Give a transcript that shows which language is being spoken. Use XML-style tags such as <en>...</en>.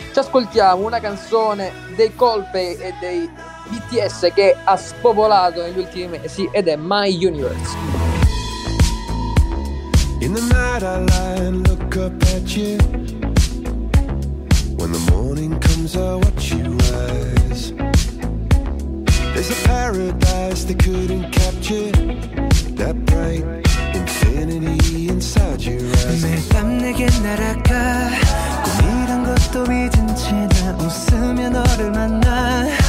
<it>Ci ascoltiamo una canzone dei Coldplay e dei BTS che ha spopolato negli ultimi mesi ed è My Universe.</it> <en>In the night I lie and look up at you. When the morning comes I watch you rise. There's a paradise they couldn't capture. That bright infinity inside your eyes.</en> <ko>매일 밤 내게 날아가 꿈이란 것도 잊은 채 나 웃으며 너를 만나.</ko>